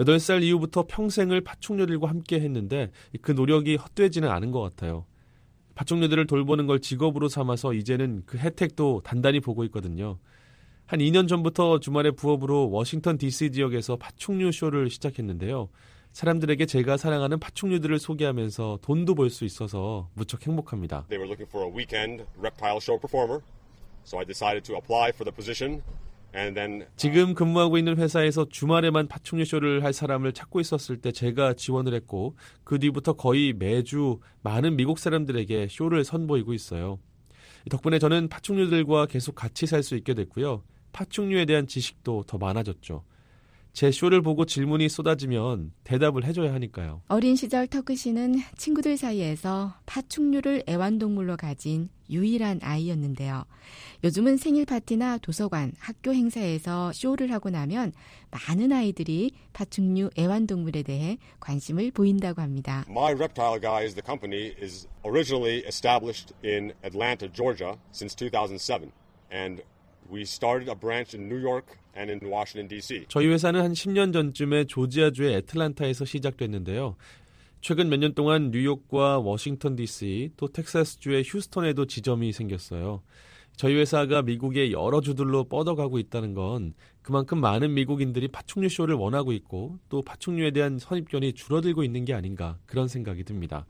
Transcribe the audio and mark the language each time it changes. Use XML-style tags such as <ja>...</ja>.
<ko>8살 이후부터 평생을 파충류들과 함께 했는데 그 노력이 헛되지는 않은 것 같아요. 파충류들을 돌보는 걸 직업으로 삼아서 이제는 그 혜택도 단단히 보고 있거든요. 한 2년 전부터 주말에 부업으로 워싱턴 DC 지역에서 파충류 쇼를 시작했는데요. 사람들에게 제가 사랑하는 파충류들을 소개하면서 돈도 벌 수 있어서 무척 행복합니다.</ko> <en>They were looking for a weekend reptile show performer. So I decided to apply for the position. And then</en> <ko>지금 근무하고 있는 회사에서 주말에만 파충류 쇼를 할 사람을 찾고 있었을 때 제가 지원을 했고 그 뒤부터 거의 매주 많은 미국 사람들에게 쇼를 선보이고 있어요. 덕분에 저는 파충류들과 계속 같이 살 수 있게 됐고요. 파충류에 대한 지식도 더 많아졌죠. 제 쇼를 보고 질문이 쏟아지면 대답을 해줘야 하니까요. 어린 시절 터크 씨는 친구들 사이에서 파충류를 애완동물로 가진 유일한 아이였는데요. 요즘은 생일 파티나 도서관, 학교 행사에서 쇼를 하고 나면 많은 아이들이 파충류 애완동물에 대해 관심을 보인다고 합니다.</ko> <en>My Reptile Guys, the company, is originally established in Atlanta, Georgia, since 2007. And we started a branch in New York and in Washington, D.C.</en> <ko>저희 회사는 한 10년 전쯤에 조지아주의 애틀랜타에서 시작됐는데요. 최근 몇 년 동안 뉴욕과 워싱턴 D.C. 또 텍사스주의 휴스턴에도 지점이 생겼어요. 저희 회사가 미국의 여러 주들로 뻗어가고 있다는 건 그만큼 많은 미국인들이 파충류 쇼를 원하고 있고 또 파충류에 대한 선입견이 줄어들고 있는 게 아닌가 그런 생각이 듭니다.</ko>